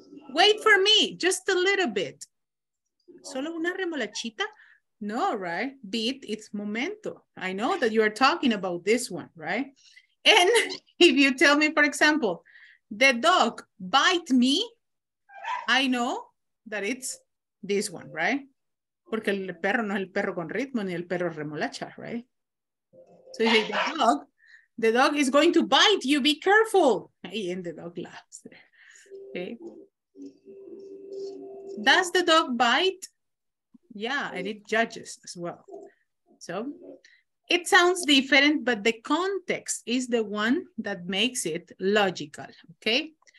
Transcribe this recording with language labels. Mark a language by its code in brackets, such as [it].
[en] Wait for me, just a little bit. [es] Solo una remolachita? [en] No, right? Beat, it's momento. I know that you are talking about this one, right? And if you tell me, for example, the dog bite me, I know that it's this one, right? [es] Porque el perro no es el perro con ritmo ni el perro remolacha, right? [en] So you say, the dog is going to bite you, be careful. And the dog laughs. Okay. Does the dog bite? Yeah, and it judges as well. So it sounds different, but the context is the one that makes it logical, okay?